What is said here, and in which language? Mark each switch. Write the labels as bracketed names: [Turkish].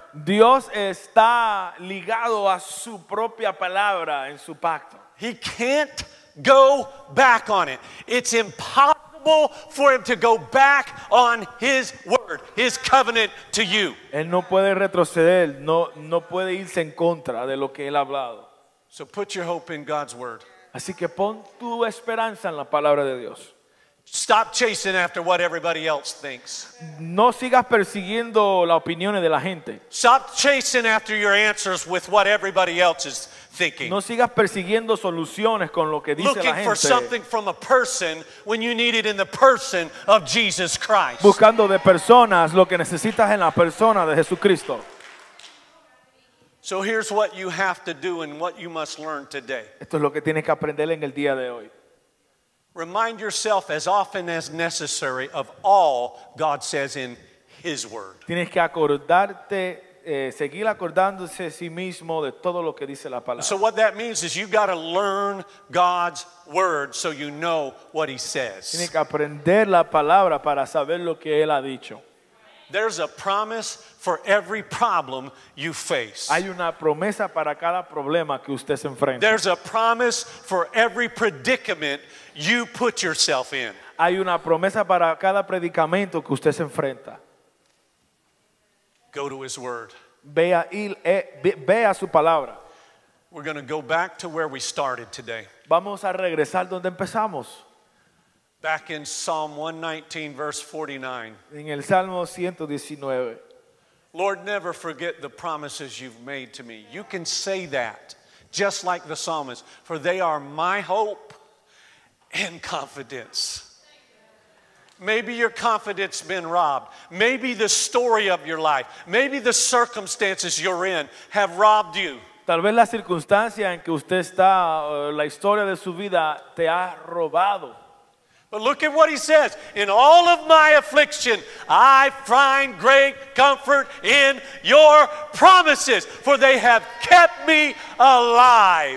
[Spanish] Dios está ligado a su propia palabra en su pacto. [English] He can't go back on it. It's impossible for him to go back on his word, his covenant to you. [Spanish] Él no puede retroceder, no puede irse en contra de lo que él ha hablado. [English] So put your hope in God's word. [Spanish] Así que pon tu esperanza en la palabra de Dios. [English] Stop chasing after what everybody else thinks. [Spanish] No sigas persiguiendo la opinión de la gente. [English] Stop chasing after your answers with what everybody else is thinking. [Spanish] No sigas persiguiendo soluciones con lo que dice [English] Looking [Spanish] la gente. [English] Looking for something from a person when you need it in the person of Jesus Christ. [Spanish] Buscando de personas lo que necesitas en la persona de Jesucristo. [English] So here's what you have to do and what you must learn today. [Spanish] Esto es lo que tienes que aprender en el día de hoy. [English] Remind yourself as often as necessary of all God says in His Word. [Spanish] Tienes que acordarte, seguir acordándose a sí mismo de todo lo que dice la palabra. [English] So what that means is you've got to learn God's Word so you know what He says. [Spanish] Tienes que aprender la palabra para saber lo que Él ha dicho. [English] There's a promise for every problem you face. [Spanish] Hay una promesa para cada problema que usted se enfrenta. [English] There's a promise for every predicament you put yourself in. [Spanish] Hay una promesa para cada predicamento que usted se enfrenta. [English] Go to His Word. [Spanish] Vea su palabra. [English] We're going to go back to where we started today. [Spanish] Vamos a regresar donde empezamos. [English] Back in Psalm 119, verse 49. [Spanish] En el Salmo 119. [English] Lord, never forget the promises you've made to me. You can say that, just like the psalmist, for they are my hope and confidence. Maybe your confidence been robbed. Maybe the story of your life, maybe the circumstances you're in have robbed you. [Spanish] Tal vez la circunstancia en que usted está, la historia de su vida te ha robado. [English] But look at what he says. In all of my affliction, I find great comfort in your promises, for they have kept me alive.